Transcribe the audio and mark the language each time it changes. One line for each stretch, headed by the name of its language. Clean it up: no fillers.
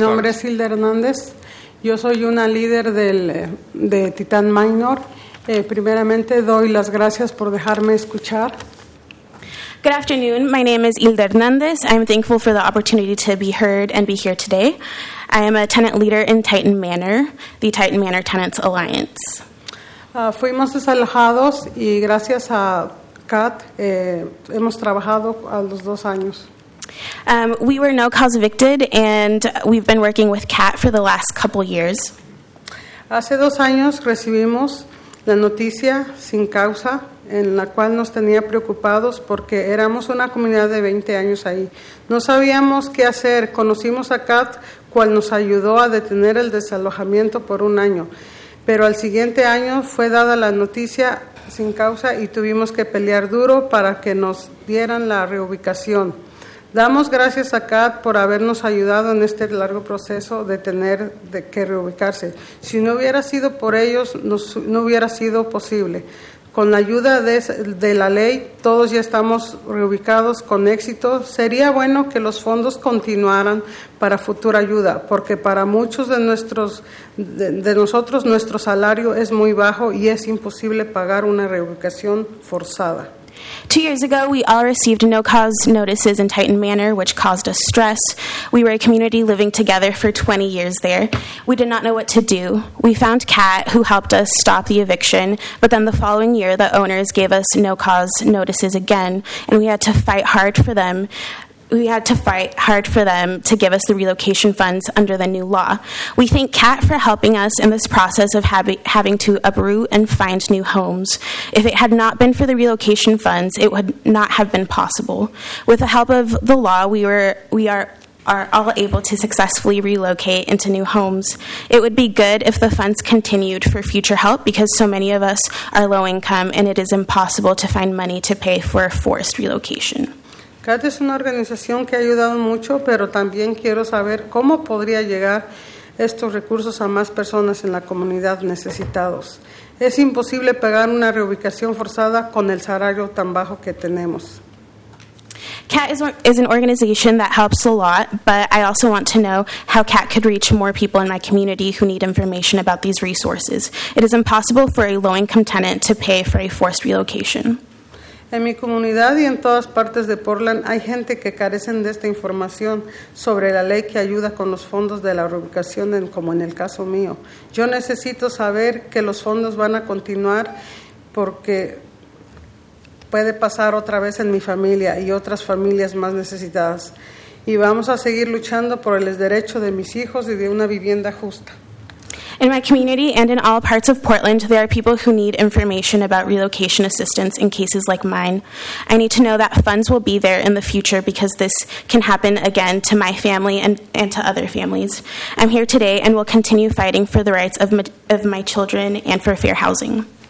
Spanish: Mi nombre tardes. Es Hilda Hernández. Yo soy una líder de Titán Minor. Primeramente, doy las gracias por dejarme escuchar.
English: Good afternoon. My name is Hilda Hernández. I'm thankful for the opportunity to be heard and be here today. I am a tenant leader in Titán Manor, the Titán Manor Tenants Alliance.
Spanish: Fuimos desalojados y gracias a CAT hemos trabajado a los dos años.
English: We were no-cause evicted, and we've been working with CAT for the last couple years.
Spanish: Hace dos años recibimos la noticia sin causa, en la cual nos tenía preocupados porque éramos una comunidad de 20 años ahí. No sabíamos qué hacer. Conocimos a CAT, cual nos ayudó a detener el desalojamiento por un año. Pero al siguiente año fue dada la noticia sin causa y tuvimos que pelear duro para que nos dieran la reubicación. Damos gracias a CAT por habernos ayudado en este largo proceso de tener de que reubicarse. Si no hubiera sido por ellos, no hubiera sido posible. Con la ayuda de la ley, todos ya estamos reubicados con éxito. Sería bueno que los fondos continuaran para futura ayuda, porque para muchos de nosotros nuestro salario es muy bajo y es imposible pagar una reubicación forzada.
English: 2 years ago, we all received no-cause notices in Titán Manor, which caused us stress. We were a community living together for 20 years there. We did not know what to do. We found CAT, who helped us stop the eviction, but then the following year, the owners gave us no-cause notices again, and we had to fight hard for them We had to fight hard for them to give us the relocation funds under the new law. We thank CAT for helping us in this process of having to uproot and find new homes. If it had not been for the relocation funds, it would not have been possible. With the help of the law, we are all able to successfully relocate into new homes. It would be good if the funds continued for future help because so many of us are low income and it is impossible to find money to pay for a forced relocation.
Spanish: CAT es una organización que ha ayudado mucho, pero también quiero saber cómo podría llegar estos recursos a más personas en la comunidad necesitados. Es imposible pagar una reubicación forzada con el salario tan bajo que tenemos.
English: CAT is an organization that helps a lot, but I also want to know how CAT could reach more people in my community who need information about these resources. It is impossible for a low-income tenant to pay for a forced relocation.
Spanish: En mi comunidad y en todas partes de Portland hay gente que carecen de esta información sobre la ley que ayuda con los fondos de la reubicación, como en el caso mío. Yo necesito saber que los fondos van a continuar porque puede pasar otra vez en mi familia y otras familias más necesitadas. Y vamos a seguir luchando por el derecho de mis hijos y de una vivienda justa.
English: In my community and in all parts of Portland, there are people who need information about relocation assistance in cases like mine. I need to know that funds will be there in the future because this can happen again to my family and to other families. I'm here today and will continue fighting for the rights of my children and for fair housing.